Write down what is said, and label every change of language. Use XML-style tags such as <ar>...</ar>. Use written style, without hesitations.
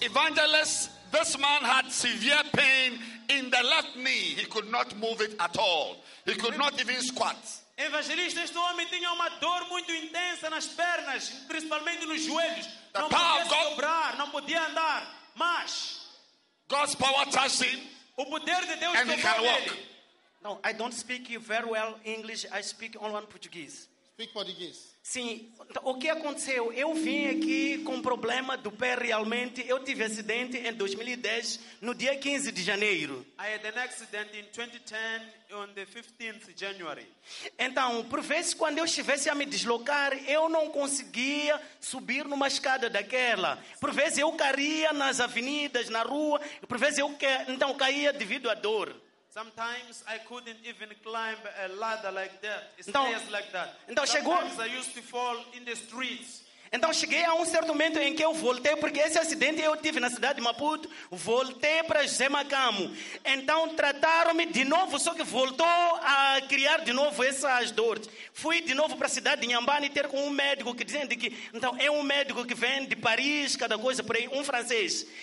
<en>Evangelist, this man had severe pain in the left knee. He could not move it at all. He could not even squat.</en> <pt>Evangelista, este homem tinha uma dor muito intensa nas pernas, principalmente nos joelhos.</pt> <en>The</en> <pt>não podia se dobrar, não podia andar. Mas</pt> <en>God's power touched him.</en> <pt>O poder de Deus</pt> <en>and he can walk. No, I don't speak you very well English. I speak only one Portuguese. Speak Portuguese.</en> <pt>Sim, o que aconteceu? Eu vim aqui com problema do pé realmente. Eu tive acidente em 2010, no dia 15 de janeiro.</pt> <en>I had an accident in 2010 on the 15th January.</en> <pt>Então, por vezes, quando eu estivesse a me deslocar, eu não conseguia subir numa escada daquela. Por vezes, eu caía nas avenidas, na rua. Por vezes, eu caía devido à dor.</pt> <en>Sometimes I couldn't even climb a ladder like that, stairs like that.</en> <pt>Então chegou.</pt> <en>Sometimes I used to fall in the streets.</en> <pt>Então cheguei a certo momento em que eu voltei, porque esse acidente eu tive na cidade de Maputo, voltei para Zemacamo. Então trataram-me de novo, só que voltou a criar de novo essas dores. Fui de novo para a cidade de Nhambane ter com um médico, que dizendo que, então é um médico que vem de Paris, cada coisa por aí, um francês.</pt>